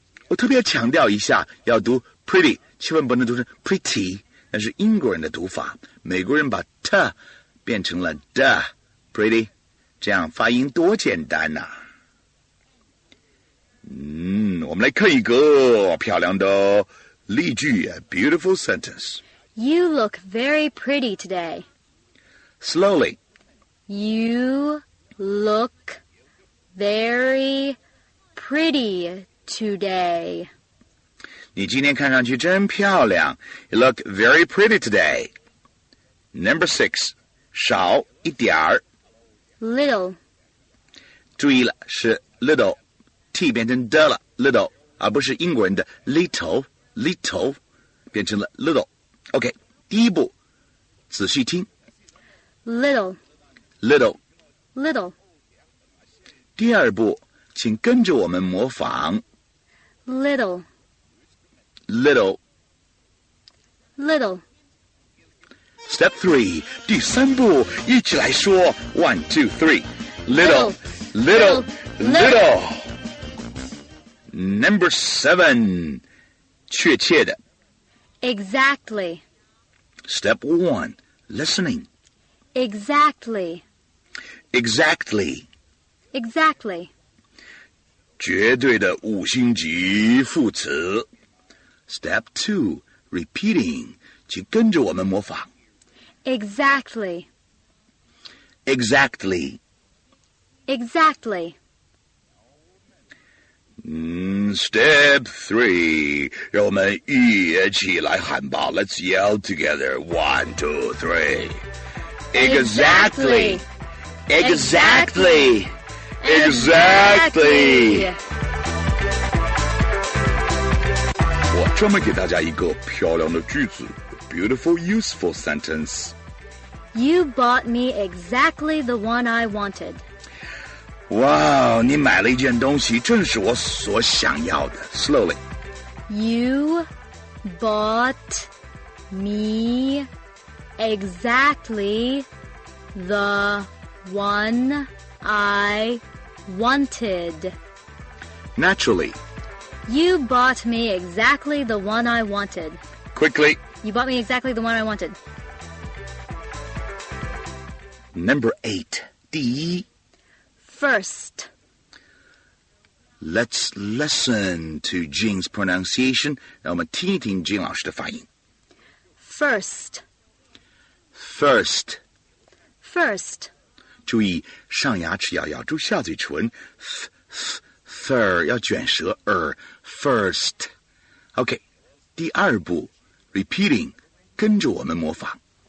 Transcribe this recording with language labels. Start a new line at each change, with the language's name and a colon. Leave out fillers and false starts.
Chinese: 我特别强调一下要读 pretty, 千万不能读成 pretty, 那是英国人的读法。美国人把 t 变成了 d, pretty. 这样发音多简单啊。我们来看一个漂亮的例句 ,
English: a beautiful sentence. You look very pretty today. Slowly. You look very pretty today.
Chinese: 你今天看上去真漂亮。
English: You look very pretty today. Number 6,
Chinese: 少一点儿。
English: Little.
Chinese: 注意了是 little. T 变成 d 了 little. 而不是英国人的 little. Little. 变成了 little. OK. 第一步仔细听。
English: Little. Little. Little.
Chinese: 第二步请跟着我们模仿。
English: Little. Little. Little. Step 3,
Chinese: 第三步一起来说
English: 1, 2, 3 little, little, little Number 7,
Chinese: 确切的
English: Exactly Step 1, listening Exactly Exactly Exactly
Chinese: 绝对的五星级副词
English: Step 2, repeating
Chinese: 请跟着我们模仿
English: Exactly. Exactly. Exactly. Step 3.
Chinese: 让我们一起来喊吧。
English: Let's yell together. 1, 2, 3. Exactly. Exactly. Exactly. Exactly.
Chinese: 我专门给大家一个漂亮的句子。
English: Beautiful, useful sentence. You bought me exactly the one I wanted.
Chinese: Wow, 你买了一件东西正是我所想要的。
English: Slowly. You bought me exactly the one I wanted. Naturally. You bought me exactly the one I wanted. Quickly. You bought me exactly the one I wanted. Number 8,
Chinese: 第一
English: First. Let's listen to Jing's pronunciation.
Chinese: 让我们听一听 Jing 老师的发音。
English: First. First. First.
Chinese: 注意上牙齿要咬住下嘴唇 ,th,th,thir 要卷舌 first. OK, 第二步 ,
English: repeating,
Chinese: 跟着我们模仿。